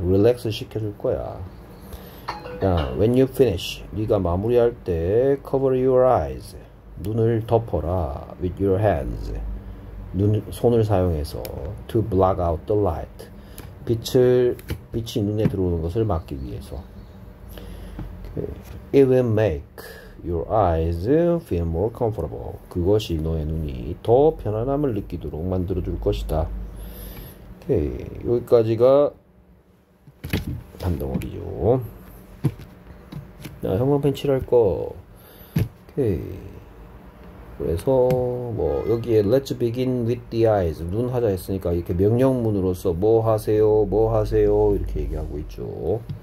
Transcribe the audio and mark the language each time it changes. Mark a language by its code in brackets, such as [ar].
[en] Relax [ko] 시켜 줄 거야. [en] Now, when you finish [ko] 네가 마무리할 때 [en] cover your eyes [ko] 눈을 덮어라 [en] with your hands [ko] 손을 사용해서 [en] to block out the light. [ko] 빛이 눈에 들어오는 것을 막기 위해서. [en] It will make your eyes feel more comfortable. [ko] 그것이 너의 눈이 더 편안함을 느끼도록 만들어 줄 것이다. 여기까지가 단덩어리죠. 자, 형광펜 칠할 거. 그래서 뭐 여기에 [en] Let's begin with the eyes [ko] 눈 하자 했으니까 이렇게 명령문으로서 뭐 하세요 뭐 하세요 이렇게 얘기하고 있죠.